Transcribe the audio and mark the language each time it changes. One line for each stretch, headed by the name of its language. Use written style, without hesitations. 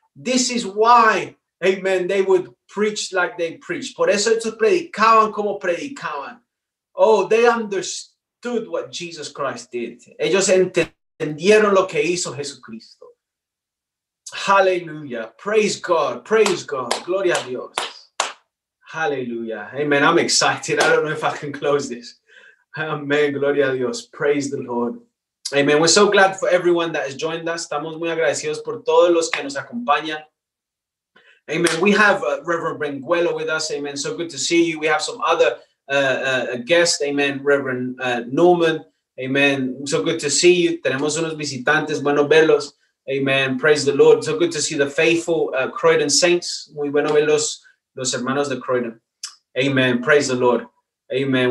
English: This is why, amen, they would preach like they preached.
Spanish: Por eso ellos predicaban como predicaban.
English: Oh, they understood what Jesus Christ did.
Spanish: Ellos entendieron lo que hizo Jesucristo. Hallelujah.
English: Praise God. Praise God.
Spanish: Gloria a Dios. Hallelujah. Amen.
English: I'm excited. I don't know if I can close this. Amen.
Spanish: Gloria a Dios.
English: Praise the Lord. Amen. We're so glad for everyone that has joined us.
Spanish: Estamos muy agradecidos por todos los que nos acompañan.
English: Amen. We have Reverend Brenguelo with us. Amen. So good to see you. We have some other guests. Amen. Reverend Norman. Amen. So good to see you.
Spanish: Tenemos unos visitantes. Bueno verlos. Amen.
English: Praise the Lord. So good to see the faithful Croydon saints.
Spanish: Muy bueno ver los hermanos de Croydon. Amen.
English: Praise the Lord.
Spanish: Amen.